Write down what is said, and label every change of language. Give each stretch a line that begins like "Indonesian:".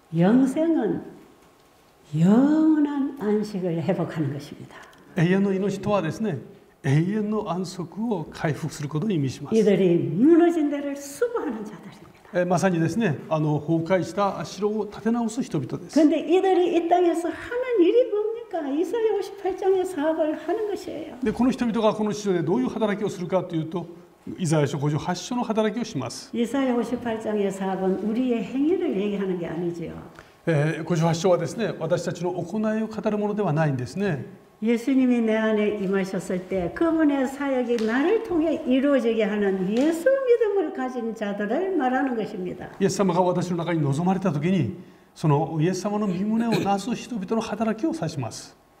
Korean: 영생은영원한안식을회복하는것입니다。
Japanese: 永遠の命とはですね、永遠の安息を回復することを意味します。
Korean: 이들이무너진데를수복하는자들입니다。
Japanese: まさにですね、崩壊した城を建て直す人々です。
Korean: 근데이들이이땅에서하는일이뭡니까？ 그러니까 이사야 58장의 사업을 하는 것이에요.
Japanese: 근데 この 人々がこの地上でどういう働きをするかというと、イザヤ書58章の働きをします。
Korean: イザヤ58章의 사업은 우리의 행위를 얘기하는 게 아니죠。
Japanese: 58章はですね、私たちの行いを語るものではないんですね。
Korean: イエス님이내안에임하셨을때、그분의 사역이 나를 통해 이루어지게 하는 예수믿음을 가진 자들을 말하는 것입니다。
Japanese: イエス様が私の中に望まれた時に、そのイエス様の御旨をなす人々の働きを指します。